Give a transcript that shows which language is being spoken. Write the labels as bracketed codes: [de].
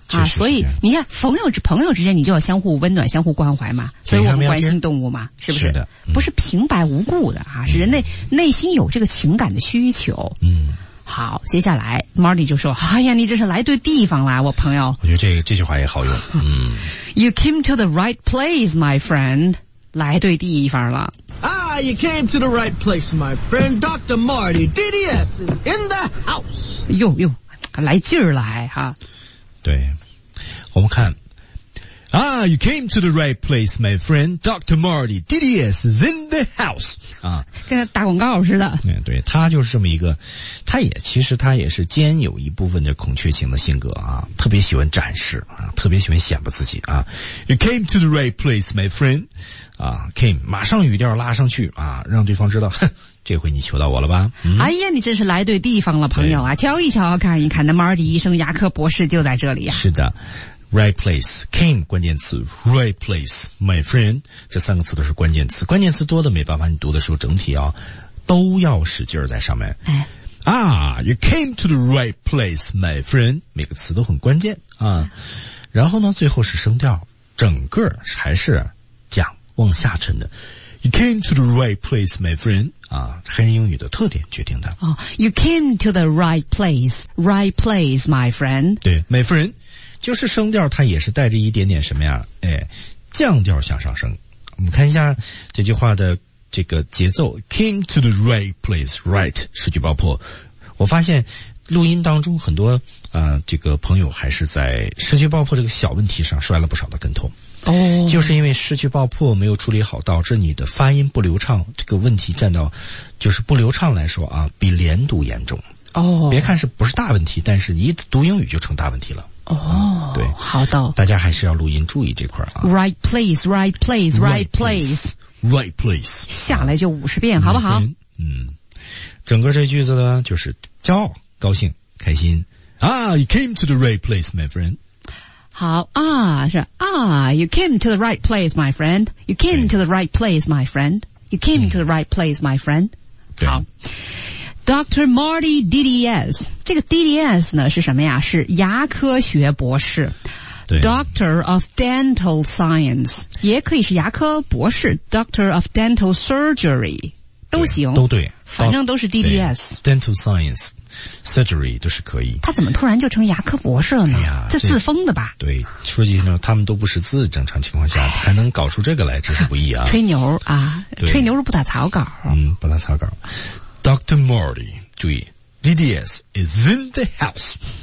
[zh] 啊，所以你看，朋友之间，你就要相互温暖，相互关怀嘛。所以我们关心动物嘛，是不是？是的，不是平白无故的啊，是人类内心有这个情感的需求。嗯，好，接下来 Marty 就说：“哎呀，你这是来对地方啦，我朋友。” 我觉得这句话也好用。嗯 [en] ，You came to the right place, my friend. [zh] 来对地方了。 [en] Ah, you came to the right place, my friend. Dr. Marty, DDS is in the house. [zh] 呦呦，来劲儿来哈。对，我们看。 [en] Ah, you came to the right place, my friend. Dr. Marty, DDS is in the house. [zh] 啊，跟打广告似的。对，他就是这么一个，他也是兼有一部分的孔雀型的性格啊，特别喜欢展示啊，特别喜欢显摆自己啊。 [en] You came to the right place, my friend. came [zh] 马上语调拉上去啊，让对方知道，哼，这回你求到我了吧、嗯、哎呀，你真是来对地方了，朋友啊，瞧一瞧，看一看，那 Marty 医生雅克博士就在这里啊。是的， [en] right place came [zh] 关键词， [en] right place my friend [zh] 这三个词都是关键词，关键词多的没办法，你读的时候整体啊都要使劲在上面。哎， [en] Ah, you came to the right place, my friend. [zh] 每个词都很关键啊。然后呢，最后是声调，整个还是讲往下沉的。 [en] You came to the right place, my friend. [zh] 啊，黑人英语的特点决定的。 [en] Oh, you came to the right place, right place, my friend. [zh] 对 ， [en] my friend， [zh] 就是声调，它也是带着一点点什么呀？哎，降调向上升。我们看一下这句话的这个节奏 ， [en] came to the right place, right [zh] 失去爆破。我发现录音当中很多这个朋友还是在失去爆破这个小问题上摔了不少的跟头。哦，就是因为失去爆破没有处理好，导致你的发音不流畅。这个问题占到就是不流畅来说啊，比连读严重。哦，别看是不是大问题，但是一读英语就成大问题了。哦，对，好的，大家还是要录音注意这块啊。 [en] Right place, right place, right place, right place， [zh] 下来就50遍，好不好？嗯，整个这句子呢，就是骄傲、高兴、开心。 [en] Ah, you came to the right place, my friend. [zh] 好啊，是啊 [en] ，You came to the right place, my friend. You came to the right place, my friend. You came to the right place, my friend. [zh] 好。Dr. Marty DDS， 这个 DDS 呢是什么呀？是牙科学博士 ， [en] Doctor of Dental Science， [zh] 也可以是牙科博士 ， [en] Doctor of Dental Surgery， [zh] 都行，都对，反正都是 DDS。 [en] Dental Science Surgery [zh] 都是可以。他怎么突然就成牙科博士了呢？哎呀，这自封的吧？对，说句实话，他们都不识字，正常情况下还能搞出这个来，真是不易啊！吹牛啊，吹牛是不打草稿，嗯，不打草稿。 [en] Dr. Marty， [zh] 注意 [en] ，DDS is in the house，